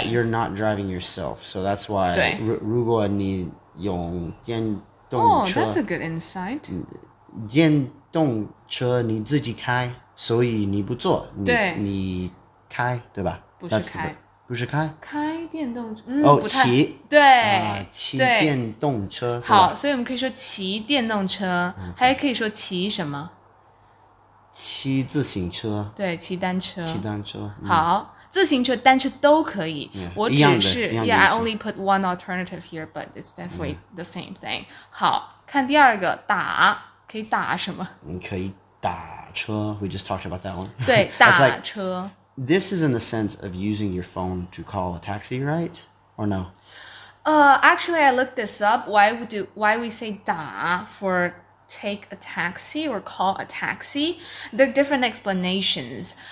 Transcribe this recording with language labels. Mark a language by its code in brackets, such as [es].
[en] That you're not driving yourself， so that's why [zh] 如果你用电 [en] that's a good insight. [zh] 电动车你自己开，所以你不坐，你开，对吧？不是开。开电动车，骑。对。骑电动车。好，所以我们可以说骑电动车，还可以说骑什么？骑自行车。对，骑单车。骑单车。好，自行车、单车都可以。 [en] Yeah, [zh] 我只是 [en] I only put one alternative here, but it's definitely the same thing. [zh] 好，看第二个，打可以打什么？你可以打车。 [en] We just talked about that one. [zh] 对，打车。 [en] This is in the sense of using your phone to call a taxi, right? Or no? Actually, I looked this up. Why we say 打 for take a taxi or call a taxi? There are different explanations.